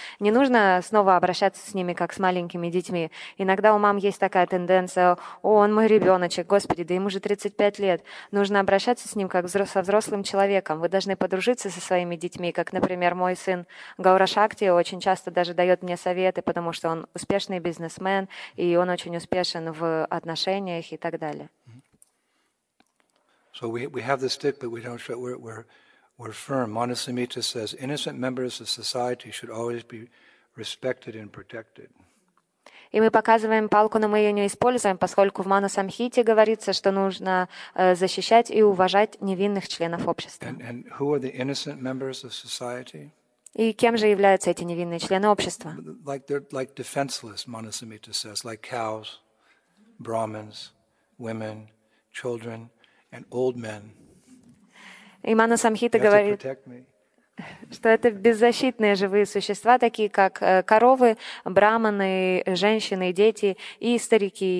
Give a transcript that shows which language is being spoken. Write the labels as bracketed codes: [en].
[ru] Не нужно снова обращаться с ними, как с маленькими детьми. Иногда у мам есть такая тенденция: «О, он мой ребеночек, господи, да ему же 35 лет». Нужно обращаться с ним, как со взрослым человеком. Вы должны подружиться со своими детьми, как, например, мой сын Гаура Шакти очень часто даже дает мне советы, потому что он успешный бизнесмен, и он очень успешен в отношениях. [en] So we have the stick, but we don't show, we're firm. Manasamhita says innocent members of society should always be respected and protected. [ru] И мы показываем палку, но мы ее не используем, поскольку в Манасамхите говорится, что нужно защищать и уважать невинных членов общества. [en] And who are the innocent members of society? [ru] И кем же являются эти невинные члены общества? [en] Like defenseless, Manasamhita says, like cows. Brahmins, women, children, and old men. [ru] Имана Самхита говорит, что это беззащитные живые существа, такие как коровы, браманы, женщины, дети и старики.